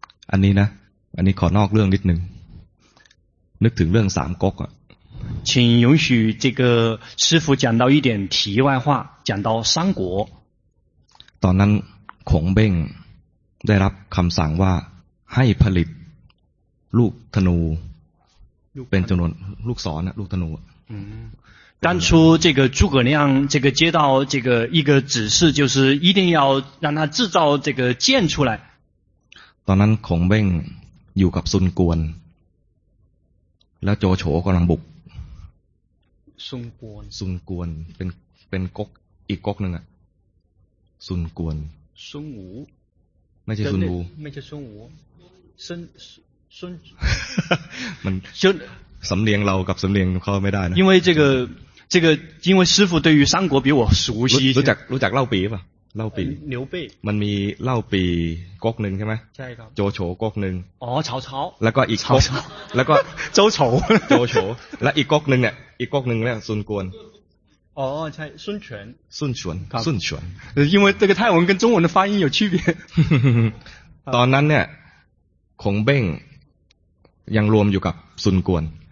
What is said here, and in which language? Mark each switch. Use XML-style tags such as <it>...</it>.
<th>อันนี้นะอันนี้ขอนอกเรื่องนิดนึงนึกถึงเรื่องสามก๊กอ่ะ</th> <zh>请允许这个师傅讲到一点题外话讲到三国</zh> <th>ตอนนั้นขงเบ้งได้รับคำสั่งว่าให้ผลิตลูกธนูเป็นจำนวนลูกศรนะลูกธนู</th> <zh>当初这个诸葛亮这个接到这个一个指示就是一定要让他制造这个箭出来</zh> <th>ตอนนั้นขงเบ้งอยู่กับซุนกวนแล้วโจโฉกำลังบุก ซุนกวน เป็นก๊กอีกก๊กนึงอ่ะซุนกวน ซุนหู ไม่ใช่ซุนหู ไม่ใช่ซุนหูซุน มันสำเนียงเรากับสำเนียงเขาไม่ได้นะ</th> <zh>因为这个因为师傅对于三国比我熟悉</zh> <th>รู้จักเล่าปี่ป่ะเล่าปี่牛背 มันมีเล่าปี่ก๊กหนึ่งใช่ไหม ใช่ครับ โจโฉก๊กหนึ่ง อ๋อชาวชาว แล้วก็อีก ชาวชาว แล้วก็ โจโฉ โจโฉและอีกก๊กหนึ่งเนี่ยอีกก๊กหนึ่งเนี่ยซุนกวน อ๋อใช่ซุนเฉิน ซุนเฉินครับซุนเฉิน</th> <zh>因为这个泰文跟中文的发音有区别</zh> <th>ตอนนั้นเนี่ยขงเบ้งยังรวมอยู่กับซุนกวน</th>